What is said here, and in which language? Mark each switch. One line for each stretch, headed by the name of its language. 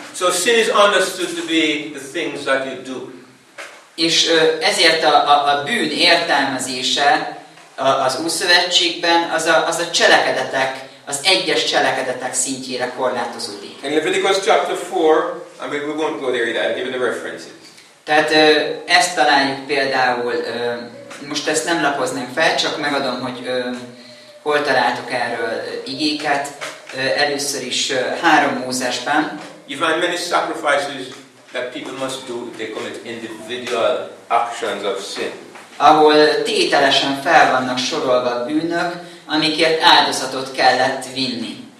English: So sin is understood to be the things that you do.
Hungarian: És ezért a bűn értelmezése az Ószövetségben az a cselekedetek, az egyes cselekedetek szintjére korlátozódik.
English: In Leviticus chapter 4, I mean, we won't go there either, given the references.
Hungarian: Tehát ezt találjuk például, most ezt nem lapoznám fel, csak megadom, hogy hol találtok erről igéket. Először is 3 Mózesben.
English: You find many sacrifices that people must do if they commit individual actions of sin.
Hungarian: Ahol tételesen fel vannak sorolva bűnök, amikért áldozatot kellett vinni.